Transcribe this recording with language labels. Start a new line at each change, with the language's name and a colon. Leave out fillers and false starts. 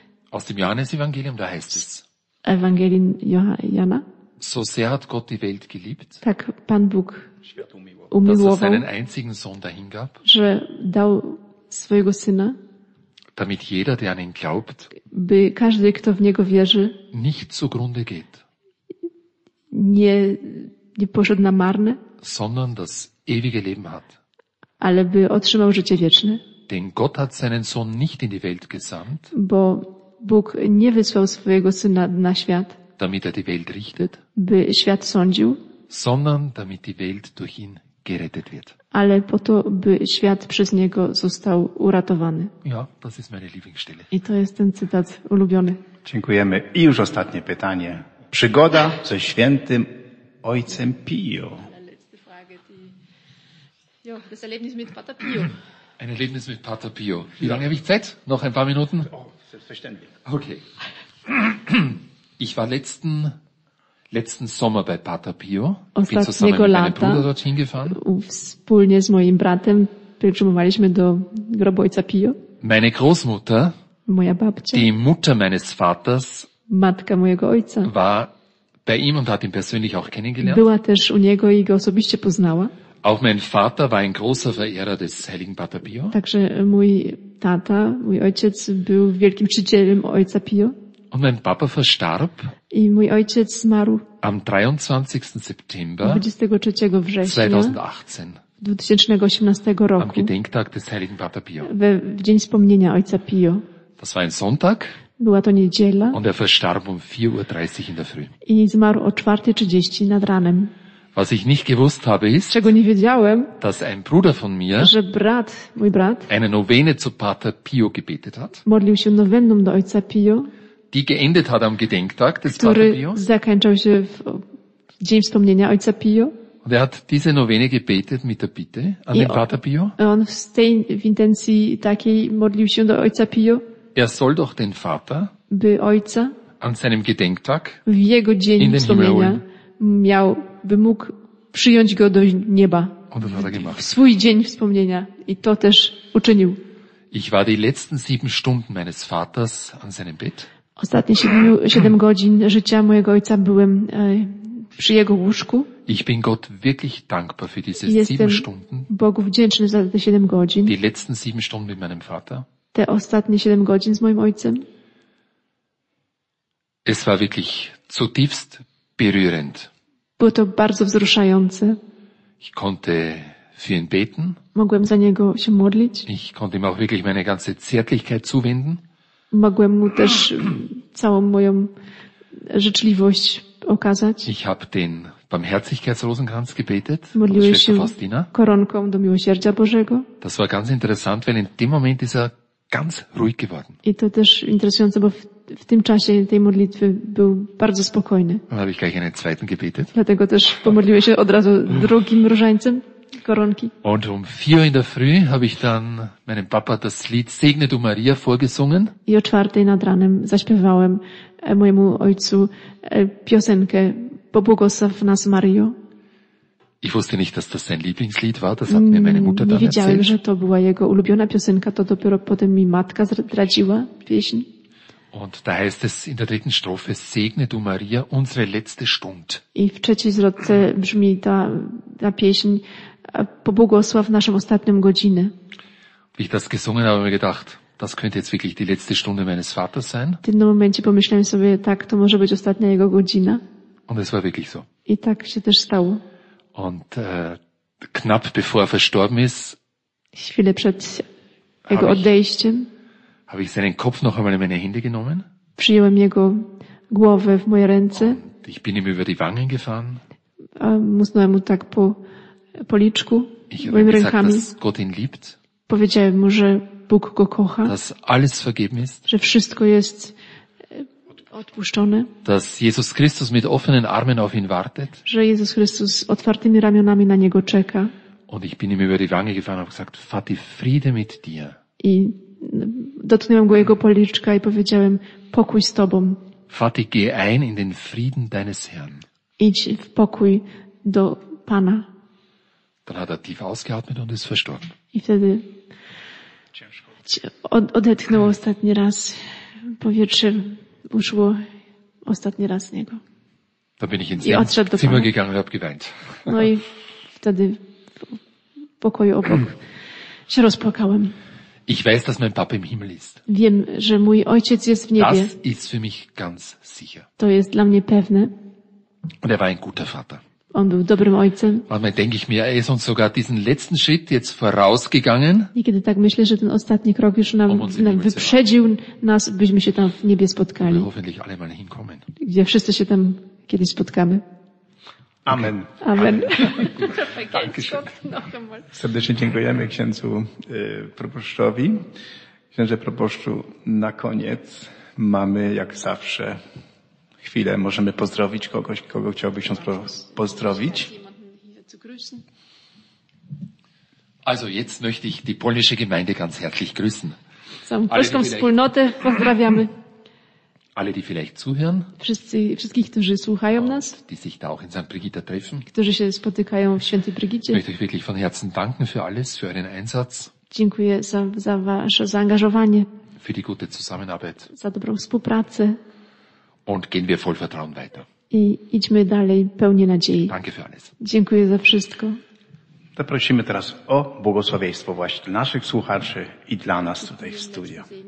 German: Aus dem Johannesevangelium, da heißt es.
Polish: Ewangelium Jana.
German: So sehr hat Gott die Welt geliebt.
Polish: Tak Pan Bóg umiłował.
German: Dass er seinen einzigen Sohn dahingab.
Polish: Że dał swojego syna.
German: Damit jeder, der an ihn glaubt.
Polish: By każdy, kto w niego wierzy.
German: Nicht zugrunde geht.
Polish: Nie poszedł na marne.
German: Sondern das ewige Leben hat.
Polish: Ale by otrzymał życie wieczne.
German: Denn Gott hat seinen Sohn nicht in die Welt gesandt.
Polish: Bo Bóg nie wysłał swojego syna na świat.
German: Damit er die Welt richtet.
Polish: By świat sądził.
German: Sondern damit die Welt durch ihn gerettet wird.
Polish: Ale po to, by świat przez niego został uratowany.
German: Ja, das ist meine Lieblingsstelle.
Polish: I to jest ten cytat ulubiony. Dziękujemy. I już ostatnie pytanie. Przygoda ze świętym ojcem Pio.
German: Das Erlebnis mit Pater Pio. Ein Erlebnis mit Pater Pio. Wie lange habe ich Zeit? Noch ein paar Minuten? Oh, selbstverständlich. Okay. Ich war letzten Sommer bei Pater Pio. Ich bin zusammen mit meinem Bruder dorthin gefahren.
Polish: Wspólnie z moim bratem przyjechaliśmy do grobu ojca Pio.
German: Meine Großmutter,
Polish: moja babcia,
German: die Mutter meines Vaters,
Polish: matka mojego ojca,
German: war bei ihm und hat ihn persönlich auch kennengelernt.
Polish: Była też u niego i go osobiście poznała.
German: Auch mein Vater war ein großer Verehrer des heiligen Pater Pio.
Polish: Także mój tata, mój ojciec był wielkim czcicielem ojca Pio.
German: Und mein Papa verstarb.
Polish: I mój ojciec zmarł.
German: Am 23. September.
Polish: 23 września.
German: 2018.
Polish: 2018 roku.
German: Am Gedenktag des heiligen Pater Pio.
Polish: W dzień wspomnienia ojca Pio.
German: Das war ein Sonntag.
Polish: Była to niedziela.
German: Und er verstarb um 4:30 in der Früh.
Polish: I zmarł o 4:30 nad ranem.
German: Was ich nicht gewusst habe ist,
Polish: czego nie wiedziałem,
German: dass ein Bruder von mir,
Polish: że brat, mój brat,
German: eine Novene zu Pater Pio gebetet hat,
Polish: modlił się nowennum do ojca Pio,
German: die geendet hat am Gedenktag des Pater Pio,
Polish: zakończył się w dzień wspomnienia ojca Pio,
German: und er hat diese Novene gebetet mit der Bitte an den Pater Pio,
Polish: on w tej intencji takiej modlił się do ojca Pio, er soll doch den Vater, by ojca, an seinem Gedenktag, w jego dzień wspomnienia, miał, by mógł przyjąć go do nieba. W swój dzień wspomnienia. I to też uczynił.
German: Ich war die letzten 7 Stunden meines Vaters an seinem Bett.
Polish: Ostatnie 7 godzin życia mojego ojca byłem przy jego łóżku.
German: Ich bin Gott wirklich dankbar für diese 7 Stunden.
Polish: Jestem Bogu wdzięczny za te 7 godzin.
German: Die letzten 7 Stunden mit meinem Vater.
Polish: Te ostatnie 7 godzin z moim ojcem.
German: Es war wirklich zutiefst berührend.
Polish: Było to bardzo wzruszające.
German: Ich konnte für ihn beten.
Polish: Mogłem za niego się modlić.
German: Ich konnte ihm auch wirklich meine ganze Zärtlichkeit zuwenden.
Polish: Mogłem mu też całą moją życzliwość okazać.
German: Ich habe den Barmherzigkeitsrosenkranz gebetet.
Polish: Modliłem się koronką do Miłosierdzia Bożego.
German: Das war ganz interessant, weil in dem Moment ist er ganz ruhig geworden.
Polish: I to też interesujące, bo w tym czasie tej modlitwy był bardzo spokojny.
German: Habe ich gleich einen zweiten gebetet.
Polish: Dlatego też pomodliłem się od razu drugim różańcem koronki.
German: Und um 4 in der Früh habe ich dann meinem Papa das Lied Segne du Maria vorgesungen.
Polish: I o 4 nad ranem zaśpiewałem mojemu ojcu piosenkę Pobłogosław nas Mario.
German: Ich wusste nicht, dass das sein Lieblingslied war, das hat mir meine Mutter dann
Polish: nie wiedziałem,
German: erzählt.
Polish: Że to była jego ulubiona piosenka, to dopiero potem mi matka zdradziła pieśń.
German: Und da heißt es in der dritten Strophe, segne du Maria, unsere letzte Stund.
Polish: I w trzeciej zwrotce brzmi ta pieśń, pobłogosław naszą ostatnią godzinę.
German: Wie ich das gesungen habe, habe mir gedacht, das könnte jetzt wirklich die letzte Stunde meines Vaters sein.
Polish: W tym momencie pomyślałem sobie, tak, to może być ostatnia jego godzina.
German: Und es war wirklich so.
Polish: I tak się też stało.
German: Und knapp bevor er verstorben ist,
Polish: chwilę przed jego odejściem,
German: habe ich seinen Kopf noch einmal in meine Hände genommen.
Polish: Przyjąłem jego głowę w moje ręce.
German: Und ich bin ihm über die Wangen gefahren.
Polish: Musnąłem mu tak po liczku,
German: ich habe gesagt, dass Gott ihn liebt.
Polish: Powiedziałem mu, że Bóg go kocha.
German: Dass alles vergeben ist.
Polish: Że wszystko jest odpuszczone.
German: Dass Jesus Christus mit offenen Armen auf ihn wartet.
Polish: Że Jezus Chrystus otwartymi ramionami na niego czeka.
German: Und ich bin ihm über die Wangen gefahren und habe gesagt, Vati, Friede mit dir.
Polish: I dotknąłem go jego policzka i powiedziałem, pokój z tobą.
German: Vati, geh ein in den Frieden deines Herrn.
Polish: Idź w pokój do Pana.
German: Dann hat er tief ausgeatmet und ist verstorben.
Polish: I wtedy odetchnął ostatni raz. Powietrze uszło ostatni raz z niego.
German: Da bin ich ins Zimmer gegangen und hab geweint.
Polish: No i wtedy w pokoju obok się rozpłakałem.
German: Ich weiß, dass mein Papa im Himmel ist.
Polish: Wiem, że mój ojciec jest w niebie.
German: Das ist für mich ganz sicher.
Polish: To jest dla mnie pewne.
German: Und er war ein guter Vater.
Polish: On był dobrym ojcem.
German: Manchmal denke ich mir, er ist uns sogar diesen letzten Schritt jetzt vorausgegangen.
Polish: Niekiedy tak myślę, że ten ostatni krok już nam wyprzedził nas, byśmy się tam w niebie spotkali.
German: Wir hoffentlich alle mal hinkommen.
Polish: Gdzie wszyscy się tam kiedyś spotkamy. Amen. Amen. Amen. Serdecznie dziękujemy księdzu proboszczowi. Księże proboszczu, na koniec Mamy jak zawsze chwilę, możemy pozdrowić kogoś, kogo chciałby się pozdrowić.
German: Also jetzt möchte ich die polnische Gemeinde ganz herzlich grüßen.
Polish: Polską wspólnotę pozdrawiamy.
German: Alle, die vielleicht zuhören.
Polish: Wszystkich, którzy słuchają nas.
German: Die sich da auch in St. Brigitta treffen.
Polish: Którzy się spotykają w Świętej Brigidzie.
German: Möchte ich wirklich von Herzen danken für alles, für euren Einsatz.
Polish: Dziękuję za wasze zaangażowanie.
German: Für die gute Zusammenarbeit.
Polish: Za dobrą współpracę.
German: Und gehen wir voll Vertrauen weiter.
Polish: I idźmy dalej pełni nadziei.
German: Danke für alles.
Polish: Dziękuję za wszystko. Zaprosimy teraz o błogosławieństwo właśnie naszych słuchaczy i dla nas tutaj w studio.